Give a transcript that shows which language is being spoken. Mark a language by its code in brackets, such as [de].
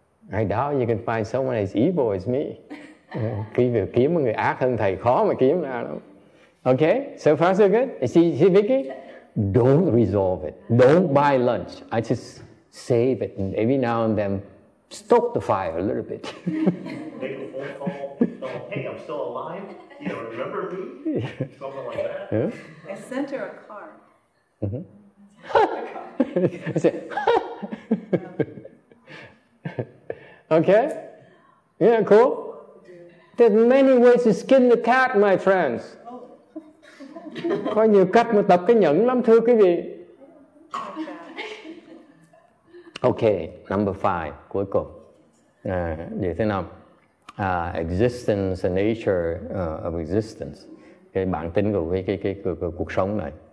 [en] I doubt you can find someone as evil as me. [vi] Khi việc kiếm một người ác hơn thầy khó mà kiếm ra đâu. [en] Okay, so far so good. See Vicky? Don't resolve it. Don't buy lunch. I just save it and every now and then stoke the fire a little bit. Make a phone call. Hey, I'm still alive. You know, remember me? Something like that. Yeah. I sent her a card. Mm-hmm. I said, okay. Yeah, cool. There's many ways to skin the cat, my friends. [vi] Có nhiều cách mà tập cái nhẫn lắm thưa quý vị. [en] Okay, number five, [vi] cuối cùng. Như thế nào? [en] Existence, the nature of existence. [vi] Cái bản tính của cái cuộc sống này.